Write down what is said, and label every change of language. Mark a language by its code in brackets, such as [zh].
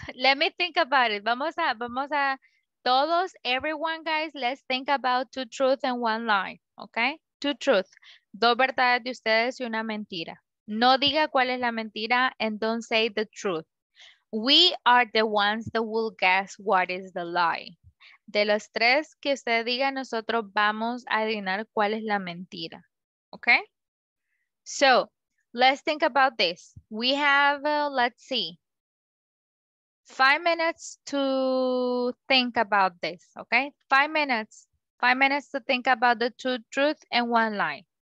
[en] Let me think about it. [es] Vamos a todos, [en] everyone, guys, let's think about two truths and one lie, okay? Two truths. [es] Dos verdades de ustedes y una mentira. No diga cuál es la mentira [en] and don't say the truth. We are the ones that will guess what is the lie. [es] De los tres que usted diga, nosotros vamos a adivinar cuál es la mentira, okay? [en] So, let's think about this. We have, let's see, 5 minutes to think about this, okay? 5 minutes. 5 minutes to think about the two truths and one lie.